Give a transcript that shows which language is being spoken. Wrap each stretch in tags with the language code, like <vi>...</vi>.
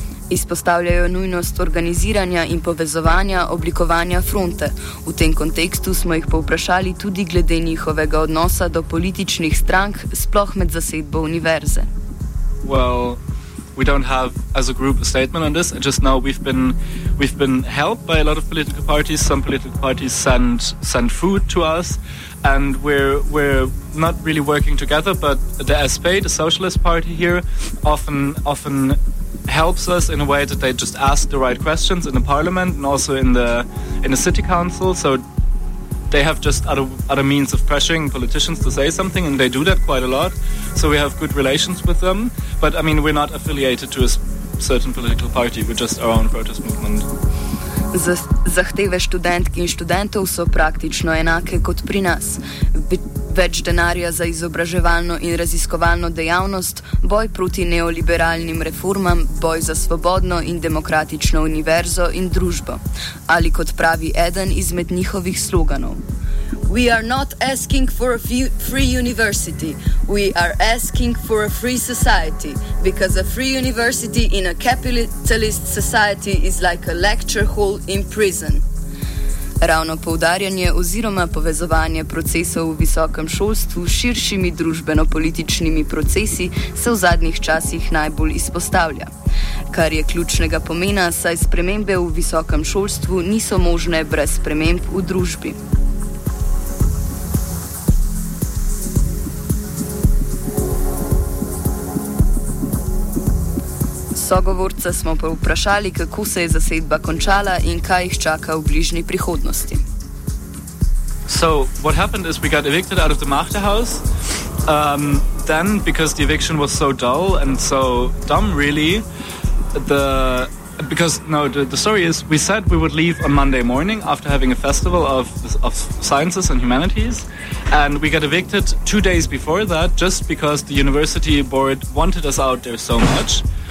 <sl>Izpostavljajo nujnost organiziranja in povezovanja oblikovanja fronte. V tem kontekstu smo jih povprašali tudi glede njihovega odnosa do političnih strank, sploh med zasedbo univerze.</sl> <en>Well, we don't have as a group a statement on this. Just now we've been helped by a lot of political parties. Some political parties send food to us, and we're not really working together, but the SP, the Socialist Party here, often helps us in a way that they just ask the right questions in the parliament and also in the city council. So they have just other means of pressuring politicians to say something, and they do that quite a lot. So we have good relations with them. But I mean, we're not affiliated to a certain political party. We're just our own protest movement.</en> <sl>Zahteve študentk in študentov so praktično enake kot pri nas. Več denarja za izobraževalno in raziskovalno dejavnost, boj proti neoliberalnim reformam, boj za svobodno in demokratično univerzo in družbo. Ali kot pravi eden izmed njihovih sloganov.</sl> <en>We are not asking for a free university. We are asking for a free society. Because a free university in a capitalist society is like a lecture hall in prison.</en> <sl>Ravno poudarjanje oziroma povezovanje procesov v visokem šolstvu s širšimi družbeno-političnimi procesi se v zadnjih časih najbolj izpostavlja. Kar je ključnega pomena, saj spremembe v visokem šolstvu niso možne brez sprememb v družbi. Sogovorca smo pa vprašali, kako se je zasedba končala in kaj jih čaka v bližnji prihodnosti.</sl> <en>So, what happened is we got evicted out of the Machte House. Then, because the eviction was so dull and so dumb, really, the story is, we said we would leave on Monday morning after having a festival of sciences and humanities, and we got evicted 2 days before that just because the university board wanted us out there so much.</en>